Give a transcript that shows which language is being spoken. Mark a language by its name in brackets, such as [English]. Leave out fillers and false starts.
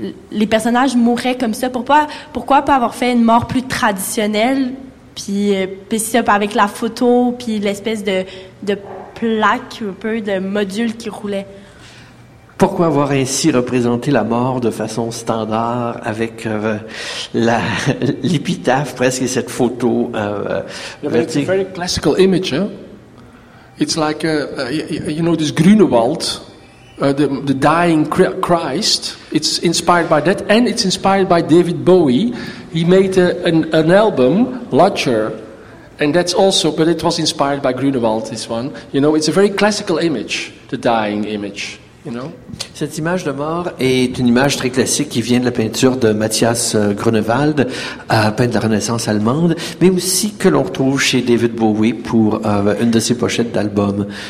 [French] les personnages mouraient comme ça. Pourquoi pas avoir fait une mort plus traditionnelle, puis ça, avec la photo, puis l'espèce de plaque, un peu de module qui roulait? Pourquoi avoir ainsi représenté la mort de façon standard avec l'épitaphe presque et cette photo? [English] It's a very classical image. It's like you know, this Grunewald, the dying Christ. It's inspired by that, and it's inspired by David Bowie. He made an album, Lodger, and that's also. But it was inspired by Grunewald. This one, you know, it's a very classical image, the dying image. You know? [French] Cette image de mort est une image très classique qui vient de la peinture de Matthias Grunewald, peintre de la Renaissance allemande, mais aussi que l'on retrouve chez David Bowie pour une de ses pochettes d'albums.